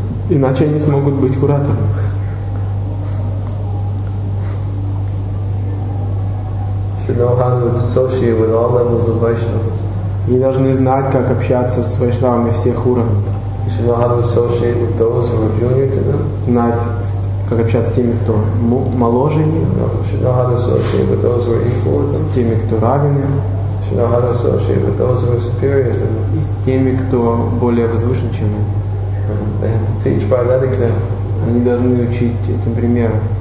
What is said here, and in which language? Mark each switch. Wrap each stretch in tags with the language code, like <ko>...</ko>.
<ru>Иначе они не смогут быть кураторами.</ru> <en>Should know how to associate with all levels of Vaishnavas.</en> <ru>Они должны знать, как общаться с вайшнавами всех уровней.</ru> <en>Should know how to associate with those who are junior to them.</en> <ru>Как общаться с теми, кто моложе них, с теми, кто равен им, и с теми, кто более возвышен, чем им. Они должны учить этим примером.</ru>